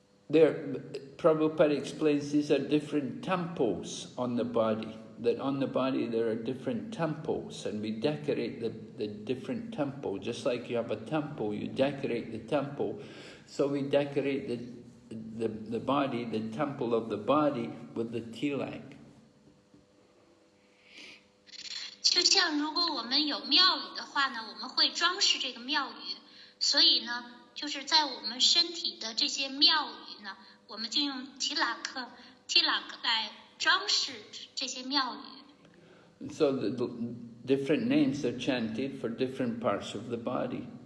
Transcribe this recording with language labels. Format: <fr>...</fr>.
<en>There, Prabhupada explains these are different temples on the body, that on the body there are different temples, and we decorate the different temple, just like you have a temple, you decorate the temple. So we decorate the body, the temple of the body, with the tilak.</en> <zh>就像如果我们有庙宇的话呢，我们会装饰这个庙宇。所以呢，就是在我们身体的这些庙宇呢，我们就用提拉克来装饰这些庙宇。</zh> <en>So different names are chanted for different parts of the body.</en>